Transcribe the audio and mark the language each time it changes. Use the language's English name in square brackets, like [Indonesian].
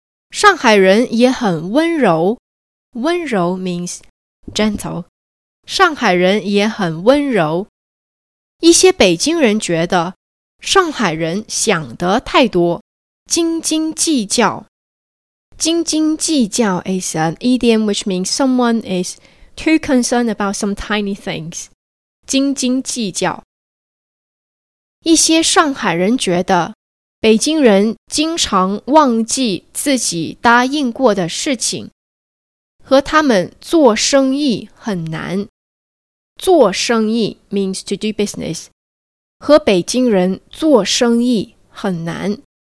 [Chinese] 上海人也很温柔，温柔 [English] means gentle， [Chinese] 上海人也很温柔。一些北京人觉得上海人想得太多，斤斤计较。 [English] 斤斤计较 is an idiom which means someone is too concerned about some tiny things， 斤斤计较。 [Chinese] 一些上海人觉得北京人经常忘记自己答应过的事情，和他们做生意很难。做生意 [English] means to do business， [Chinese] 和北京人做生意很难。